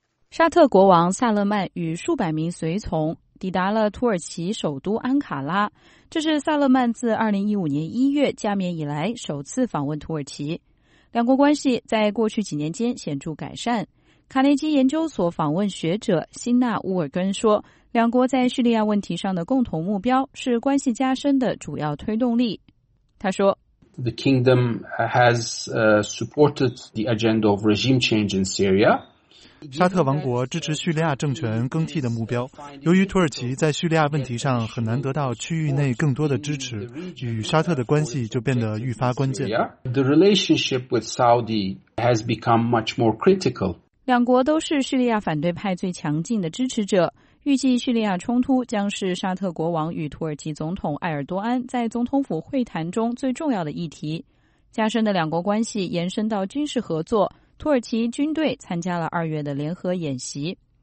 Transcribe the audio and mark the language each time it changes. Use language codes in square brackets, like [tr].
[zh] 沙特国王萨勒曼与数百名随从抵达了土耳其首都安卡拉，这是萨勒曼自2015年1月加冕以来首次访问土耳其。两国关系在过去几年间显著改善。卡内基研究所访问学者辛纳乌尔根说，两国在叙利亚问题上的共同目标是关系加深的主要推动力。他说 [en] The kingdom has supported the agenda of regime change in Syria. [zh] 沙特王国支持叙利亚政权更替的目标。由于土耳其在叙利亚问题上很难得到区域内更多的支持，与沙特的关系就变得愈发关键。 [en] The relationship with Saudi has become much more critical. [zh] 两国都是叙利亚反对派最强劲的支持者，预计叙利亚冲突将是沙特国王与土耳其总统埃尔多安在总统府会谈中最重要的议题。加深的两国关系延伸到军事合作，土耳其军队参加了2月的联合演习。